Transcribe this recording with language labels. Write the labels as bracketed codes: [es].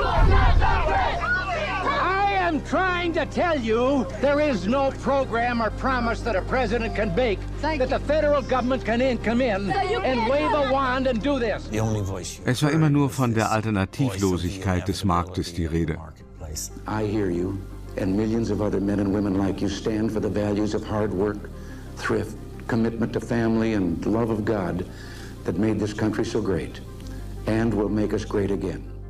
[en] I am trying to tell you, there is no program or promise that a president can make that the federal government can come in and wave a wand and do this. [de] Es war immer nur von der Alternativlosigkeit des Marktes die Rede. [en] I hear you, and millions of other men and women like you stand for the values of hard work, thrift, commitment to family and love of God that made this country so great and will make us great again.